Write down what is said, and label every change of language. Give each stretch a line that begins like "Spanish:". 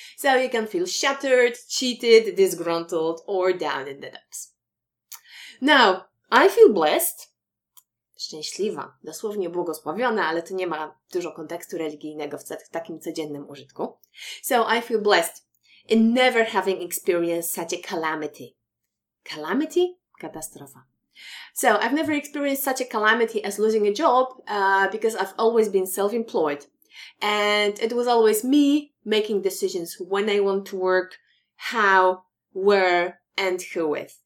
English: So you can feel shattered, cheated, disgruntled, or down in the dumps. Now, I feel blessed,
Polish: szczęśliwa, dosłownie błogosławiona, ale to nie ma dużo kontekstu religijnego w takim codziennym użytku.
English: So, I feel blessed in never having experienced such a calamity. Calamity? Katastrofa. So I've never experienced such a calamity as losing a job because I've always been self-employed. And it was always me making decisions when I want to work, how, where, and who with.